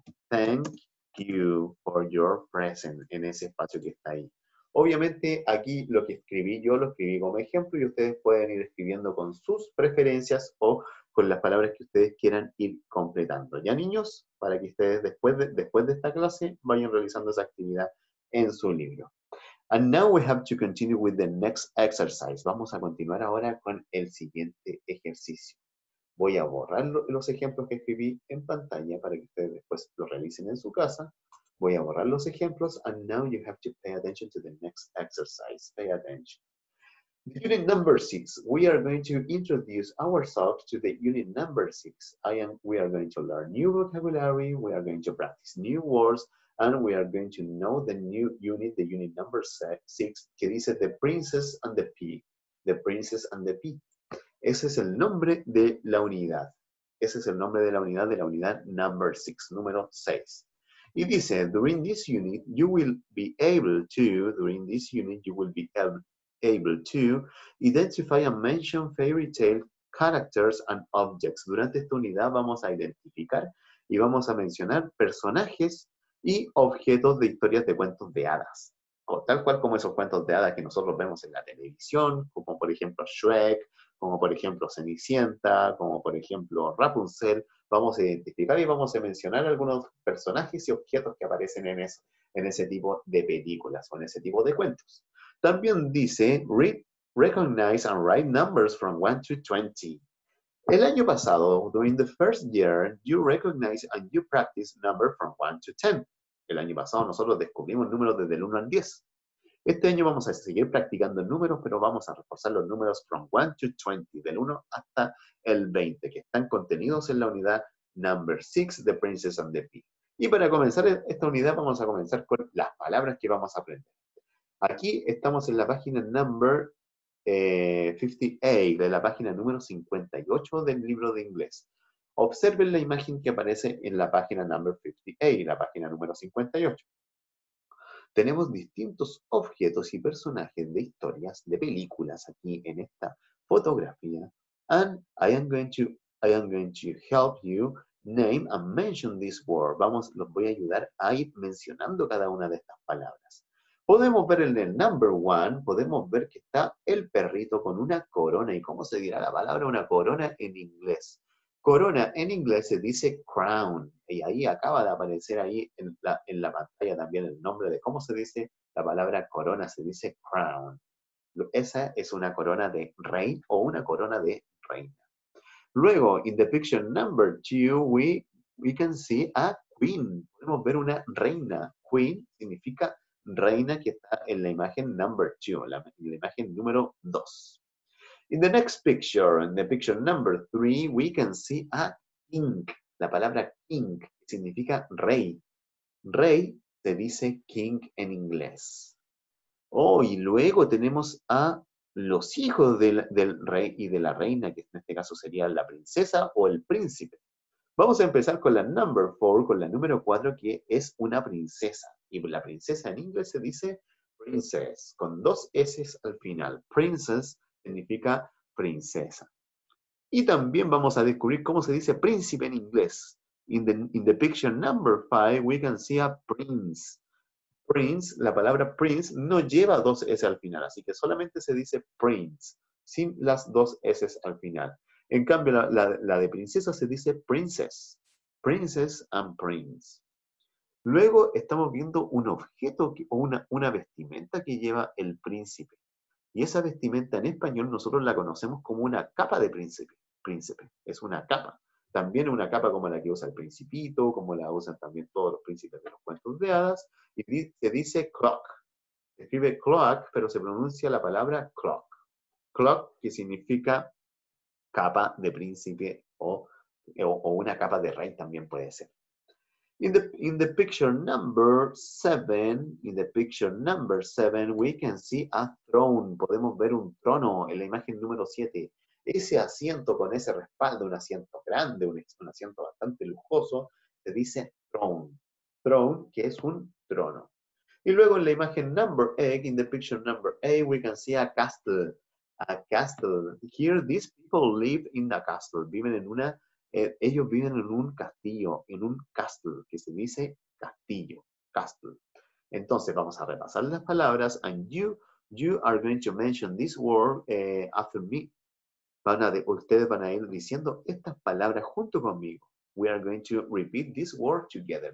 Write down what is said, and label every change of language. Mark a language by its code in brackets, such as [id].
[en] Thank you for your present [es] en ese espacio que está ahí. Obviamente aquí lo que escribí yo lo escribí como ejemplo y ustedes pueden ir escribiendo con sus preferencias o con las palabras que ustedes quieran ir completando. Ya niños, para que ustedes después de esta clase vayan realizando esa actividad en su libro. [en] And now we have to continue with the next exercise. [es] Vamos a continuar ahora con el siguiente ejercicio. Voy a borrar los ejemplos que escribí en pantalla para que ustedes después lo realicen en su casa. Voy a borrar los ejemplos. [en] And now you have to pay attention to the next exercise. Pay attention. Unit number 6. We are going to introduce ourselves to the unit number 6. We are going to learn new vocabulary. We are going to practice new words. And we are going to know the new unit, the unit number 6, [es] que dice [en] The Princess and the Pea. [es] The Princess and the Pea. Ese es el nombre de la unidad. Ese es el nombre de la unidad number 6, número 6. Y dice, [en] during this unit, you will be able to, identify and mention fairy tale characters and objects. [es] Durante esta unidad vamos a identificar y vamos a mencionar personajes y objetos de historias de cuentos de hadas. O tal cual como esos cuentos de hadas que nosotros vemos en la televisión, como por ejemplo Shrek, como por ejemplo Cenicienta, como por ejemplo Rapunzel, vamos a identificar y vamos a mencionar algunos personajes y objetos que aparecen en ese tipo de películas o en ese tipo de cuentos. También dice, [en] recognize and write numbers from 1 to 20. [es] El año pasado, [en] during the first year, you recognize and you practice number from 1 to 10. [es] El año pasado nosotros descubrimos números desde el 1 al 10. Este año vamos a seguir practicando números, pero vamos a reforzar los números [en] from 1 to 20, [es] del 1 hasta el 20, que están contenidos en la unidad number 6, The Princess and the Pea. Y para comenzar esta unidad vamos a comenzar con las palabras que vamos a aprender. Aquí estamos en la página number 58, de la página número 58 del libro de inglés. Observen la imagen que aparece en la página number 58, la página número 58. Tenemos distintos objetos y personajes de historias, de películas aquí en esta fotografía. [en] And I am going to help you name and mention this word. [es] Los voy a ayudar a ir mencionando cada una de estas palabras. Podemos ver en el number one, podemos ver que está el perrito con una corona. ¿Y cómo se dirá la palabra una corona en inglés? Corona en inglés se dice crown. Y ahí acaba de aparecer ahí en la pantalla también el nombre de cómo se dice la palabra corona. Se dice crown. Esa es una corona de rey o una corona de reina. Luego, [en] in the picture number two, we can see a queen. [es] Podemos ver una reina. Queen significa reina, que está en la imagen number two, la imagen número dos. [en] In the next picture, in the picture number three, we can see a king. [es] La palabra king significa rey. Rey se dice king en inglés. Oh, y luego tenemos a los hijos del rey y de la reina, que en este caso sería la princesa o el príncipe. Vamos a empezar con la number four, con la número cuatro, que es una princesa. Y la princesa en inglés se dice princess, con dos S's al final. Princess significa princesa. Y también vamos a descubrir cómo se dice príncipe en inglés. [en] In the picture number five, we can see a prince. [es] Prince, la palabra prince, no lleva dos S al final, así que solamente se dice prince, sin las dos S's al final. En cambio, la de princesa se dice princess. Princess and prince. Luego estamos viendo un objeto o una vestimenta que lleva el príncipe. Y esa vestimenta en español nosotros la conocemos como una capa de príncipe. Príncipe, es una capa. También una capa como la que usa el principito, como la usan también todos los príncipes de los cuentos de hadas. Y se dice cloak. Se escribe cloak, pero se pronuncia la palabra cloak. Cloak, que significa capa de príncipe o o una capa de rain también puede ser. [en] In the picture number 7, in the picture number 7, we can see a throne. [es] Podemos ver un trono en la imagen número 7. Ese asiento con ese respaldo, un asiento grande, un asiento bastante lujoso, se dice throne. [en] Throne, [es] que es un trono. Y luego en la imagen [en] number 8, in the picture number 8, we can see a castle. A castle. Here, these people live in the castle. [es] Viven en una... ellos viven en un castillo, en un castle, que se dice castillo, castle. Entonces, vamos a repasar las palabras. [en] And you are going to mention this word after me. [es] Ustedes van a ir diciendo estas palabras junto conmigo. [en] We are going to repeat this word together.